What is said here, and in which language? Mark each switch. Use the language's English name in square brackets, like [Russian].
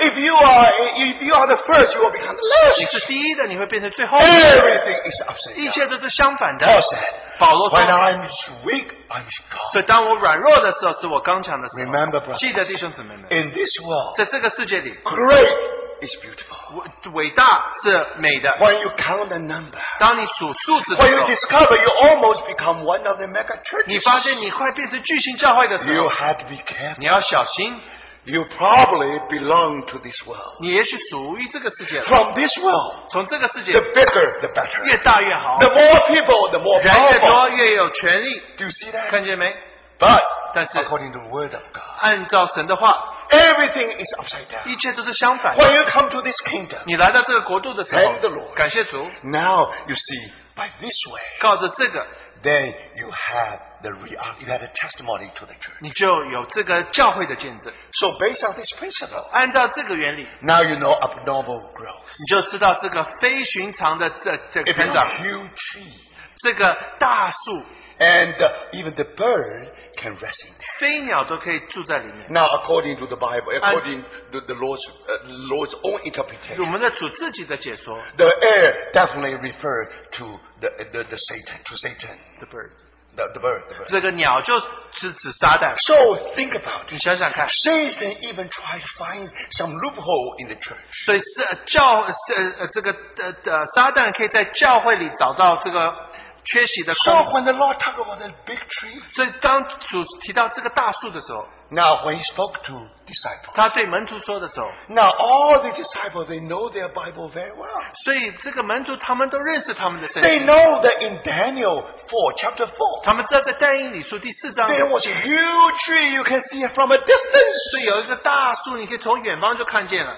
[English] If you are the first, you will become the last. [Chinese] 你是第一的, 你会变成最后的. [English] Everything is upside down. [Chinese] 一切都是相反的. [English] Paul said, [Chinese] 保罗说, [English] when I'm weak, I'm strong. [Chinese] 所以当我软弱的时候，是我刚强的时候. [English] Remember, brothers, [Chinese] 记得弟兄姊妹们, [English] in this world, [Chinese] 在这个世界里, [English] great is beautiful. [Chinese] 伟大是美的. [English] When you count the number, [Chinese] 当你数数字的时候, [English] when you discover you almost become one of the mega churches, [Chinese] 你发现你快变成巨型教会的时候, [English] you have to be careful. [Chinese] 你要小心. [English] You probably belong to this world. [Chinese] 你也许属于这个世界了。 [English] From this world, [Chinese] 从这个世界, [English] the bigger, the better. [Chinese] 越大越好。 [English] The more people, the more powerful. [Chinese] 人越多越有权力。 [English] Do you see that? [Chinese] 看见没? [English] But, [Chinese] 但是, [English] according to the word of God, [Chinese] 按照神的话, [English] everything is upside down. [Chinese] 一切都是相反, [English] when you come to this kingdom, [Chinese] 你来到这个国度的时候, [English] thank the Lord. [Chinese] 感谢主, [English] now, you see, by this way, [Chinese] 靠着这个, [English] then you have the reality, you have a testimony to the church. [Chinese] 你就有这个教会的见证. [English] So based on this principle, [Chinese] 按照这个原理, [English] now you know abnormal growth. [Chinese] 你就知道这个非寻常的这成长. [English] If you're a huge tree, [Chinese] 这个大树, [English] And even the bird can rest in there. [Chinese] 飞鸟都可以住在里面。 [English] Now according to the Bible, according to the Lord's own interpretation, [Chinese] 我们的主自己的解说, [English] the air definitely referred to the Satan, to Satan. The bird. The bird. [Chinese] 这个鸟就是指撒旦。 [English] So think about it. [Chinese] 你想想看, [English] Satan even tried to find some loophole in the church. [Chinese] 所以撒旦可以在教会里找到这个 [English] So when the Lord talked about the big tree, [Chinese] 所以当主提到这个大树的时候, [English] now when he spoke to disciples, [Chinese] 他对门徒说的时候, [English] now all the disciples, they know their Bible very well. [Chinese] 所以这个门徒他们都认识他们的圣经, [English] they know that in Daniel 4, chapter 4, [Chinese] 他们知道在但以理书第四章, [English] there was a huge tree you can see from a distance. [Chinese] 所以有一个大树你可以从远方就看见了,